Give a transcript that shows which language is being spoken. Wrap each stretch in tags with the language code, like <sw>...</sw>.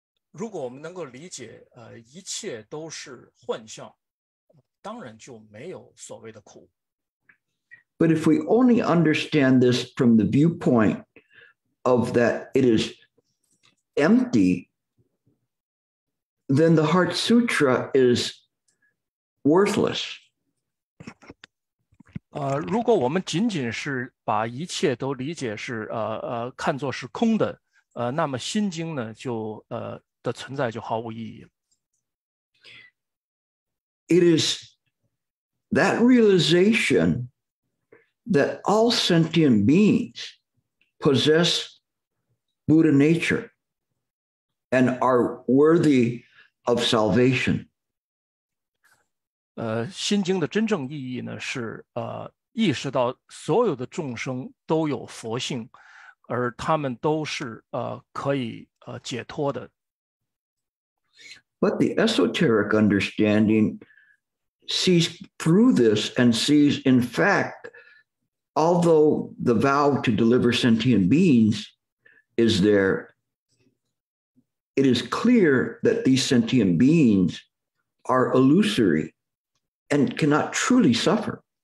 <zh>如果我们能够理解一切都是幻象，当然就没有所谓的苦。</zh> <en>But if we only understand this from the viewpoint of that it is empty, then the Heart Sutra is worthless.</en> <zh>如果我们仅仅是把一切都理解是看作是空的，那么心经呢就的存在就毫无意义。</zh> <en>It is that realization that all sentient beings possess Buddha nature and are worthy of salvation.</en> <zh>心经的真正意义呢是意识到所有的众生都有佛性，而他们都是可以解脱的。</zh> <en>But the esoteric understanding sees through this and sees, in fact, although the vow to deliver sentient beings is there, it is clear that these sentient beings are illusory and cannot truly suffer.</en>